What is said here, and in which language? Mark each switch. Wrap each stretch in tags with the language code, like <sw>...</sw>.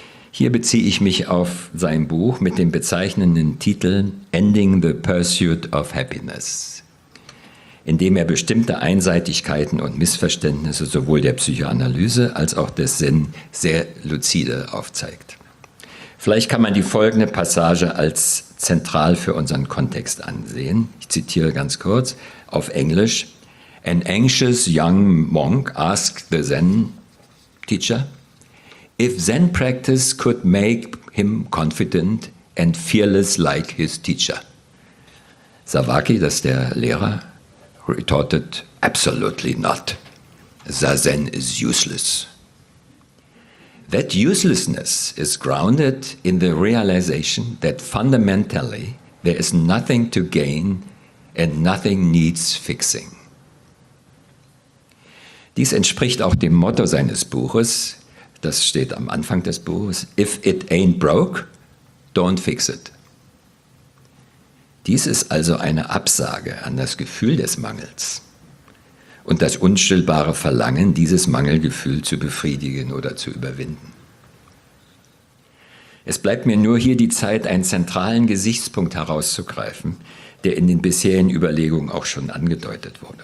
<de>Hier beziehe ich mich auf sein Buch mit dem bezeichnenden Titel Ending the Pursuit of Happiness, in dem er bestimmte Einseitigkeiten und Missverständnisse sowohl der Psychoanalyse als auch des Zen sehr luzide aufzeigt. Vielleicht kann man die folgende Passage als zentral für unseren Kontext ansehen. Ich zitiere ganz kurz auf Englisch.</de> <en>An anxious young monk asked the Zen teacher, if Zen practice could make him confident and fearless like his teacher. Savaki,</en> <de>das ist der Lehrer,</de> <en>retorted, absolutely not. Zazen is useless. That uselessness is grounded in the realization that fundamentally there is nothing to gain and nothing needs fixing.</en> <de>Dies entspricht auch dem Motto seines Buches. Das steht am Anfang des Buches.</de> <en>If it ain't broke, don't fix it.</en> <de>Dies ist also eine Absage an das Gefühl des Mangels und das unstillbare Verlangen, dieses Mangelgefühl zu befriedigen oder zu überwinden. Es bleibt mir nur hier die Zeit, einen zentralen Gesichtspunkt herauszugreifen, der in den bisherigen Überlegungen auch schon angedeutet wurde.</de>